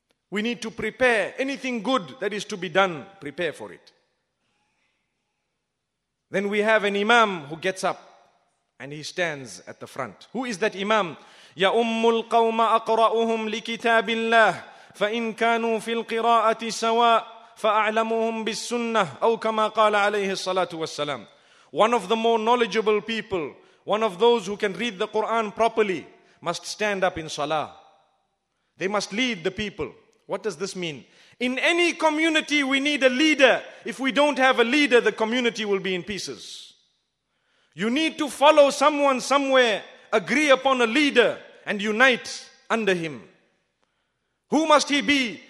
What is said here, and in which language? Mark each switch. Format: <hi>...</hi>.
<en>We need to prepare anything good that is to be done, prepare for it. Then we have an imam who gets up and he stands at the front. Who is that imam?</en> <ar>Ya ummul qawma aqra'uhum li kitabillah. فإن كانوا في القراءة سواء فأعلمهم بالسنة أو كما قال عليه الصلاة والسلام.</ar> <en>One of the more knowledgeable people, one of those who can read the Quran properly, must stand up in salah. They must lead the people. What does this mean? In any community, we need a leader. If we don't have a leader, the community will be in pieces. You need to follow someone somewhere, agree upon a leader, and unite under him. Who must he be?</en>